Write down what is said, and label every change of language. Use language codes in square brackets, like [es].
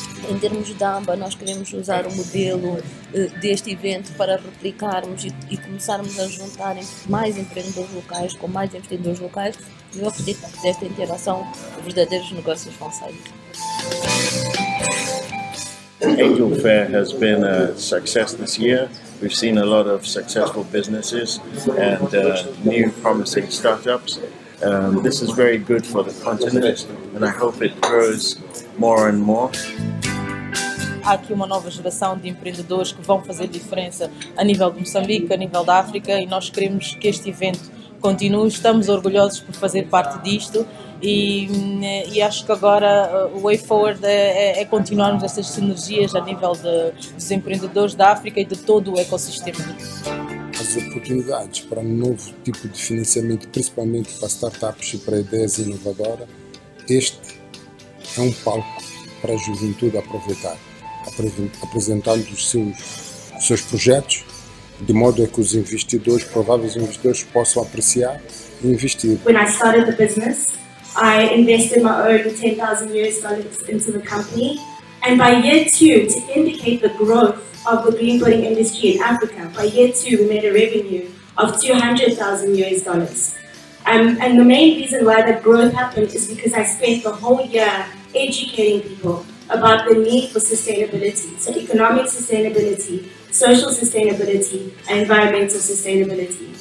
[pt] Em termos da AMBA, nós queremos usar o modelo deste evento para replicarmos e começarmos a juntar mais empreendedores locais com mais investidores locais. E eu acredito que desta interação verdadeiros negócios vão sair. [en] Angel Fair has been a success this year. We've seen a lot of successful businesses and new promising startups. This is very good for the continent and I hope it grows more and more. [pt] Há aqui uma nova geração de empreendedores que vão fazer diferença a nível de Moçambique, a nível da África e nós queremos que este evento continue. Estamos orgulhosos por fazer parte disto e acho que agora o way forward é continuarmos estas sinergias a nível dos empreendedores da África e de todo o ecossistema. As oportunidades para um novo tipo de financiamento, principalmente para startups e para ideias inovadoras, este é um palco para a juventude aproveitar, apresentando os seus projetos, de modo a que os investidores, prováveis investidores, possam apreciar e investir. [en] When I started the business, I invested my own $10,000 into the company. And by year two, to indicate the growth of the green building industry in Africa, by year two, we made a revenue of $200,000. And the main reason why that growth happened is because I spent the whole year educating people about the need for sustainability, so economic sustainability, social sustainability, and environmental sustainability.